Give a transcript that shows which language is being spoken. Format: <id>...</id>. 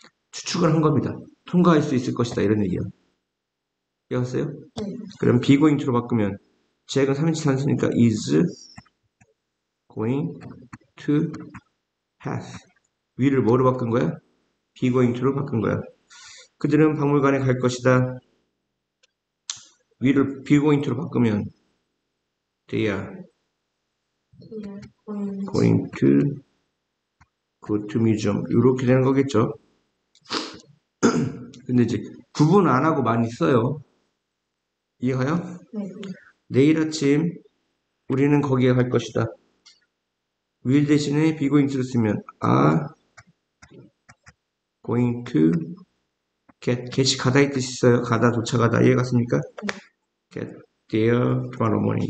<ko>추측을 한 겁니다. 통과할 수 있을 것이다. 이런 얘기야. 이해하세요? 그럼 비고잉투로 바꾸면 잭은 3인칭 단수니까</ko> <en>is going to pass.</en> <ko>위를 뭐로 바꾼 거야? 비고잉투로 바꾼 거야. 그들은 박물관에 갈 것이다. 위를 비고잉투로 바꾸면</ko> <en>they are going to go to museum.</en> <ko>이렇게 되는 거겠죠? 근데 이제 구분 안 하고 많이 써요. 이해하여? 내일 아침 우리는 거기에 갈 것이다. will 대신에 비고잉투를 쓰면</ko> <en>are going to get get</en> <ko>이 가다의 뜻이 있어요. 가다 도착하다. 이해 갔습니까?</ko> <en>get there tomorrow morning.</en>